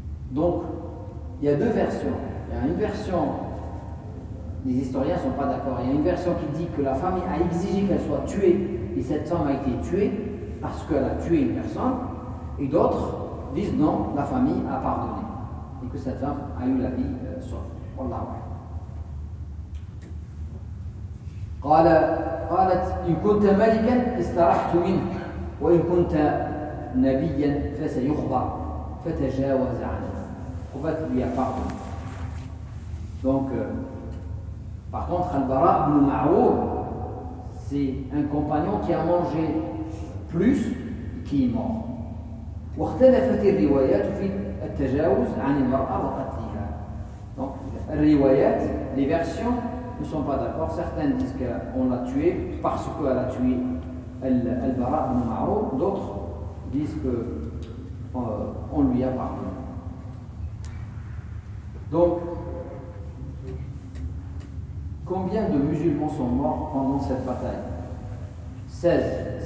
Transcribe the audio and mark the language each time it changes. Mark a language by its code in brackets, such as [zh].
[fr] Donc, il y a deux versions. Il y a une version, les historiens ne sont pas d'accord, il y a une version qui dit que la famille a exigé qu'elle soit tuée, et cette femme a été tuée parce qu'elle a tué une personne. Et d'autres disent non, la famille a pardonné. Et que cette femme a eu la vie sauve. [ar] Wallahu a'lam. قالت إن كنت ملكا استرحت منه وإن كنت نبيا فسيخبر فتجاوز عنه. قبت لي pardon. [fr] Donc, par contre, Al-Bara ibn Ma'roub, c'est un compagnon qui a mangé plus et qui est mort. [ar] واختلفت الروايات في التجاوز عن المرأة وقتلها. [fr] Donc, الروايات, les versions, ne sont pas d'accord. Certaines disent qu'on l'a tué parce qu'elle a tué Al-Bara ibn Ma'roub. D'autres disent qu'on lui a pardonné. Donc, combien de musulmans sont morts pendant cette bataille? 16.